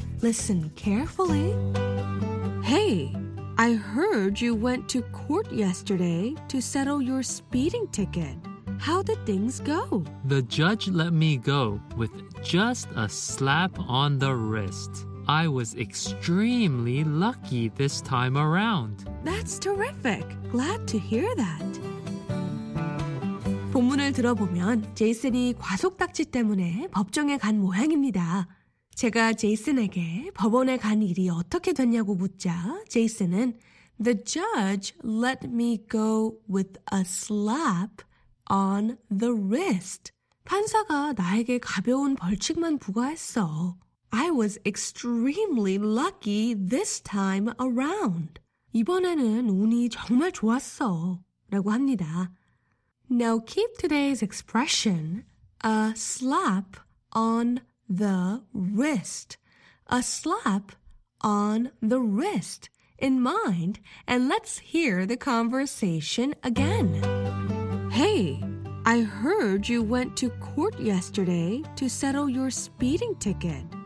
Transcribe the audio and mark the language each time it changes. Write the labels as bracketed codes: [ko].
[en] Listen carefully. Hey, I heard you went to court yesterday to settle your speeding ticket. How did things go? The judge let me go with just a slap on the wrist. I was extremely lucky this time around. That's terrific. Glad to hear that. [ko] 본문을 들어보면 제이슨이 과속딱지 때문에 법정에 간 모양입니다. 제가 제이슨에게 법원에 간 일이 어떻게 됐냐고 묻자 제이슨은 [en] The judge let me go with a slap on the wrist. [ko] 판사가 나에게 가벼운 벌칙만 부과했어. [en] I was extremely lucky this time around. [ko] 이번에는 운이 정말 좋았어 라고 합니다. [en] Now keep today's expression, a slap on the wrist. A slap on the wrist in mind, and let's hear the conversation again. Hey, I heard you went to court yesterday to settle your speeding ticket.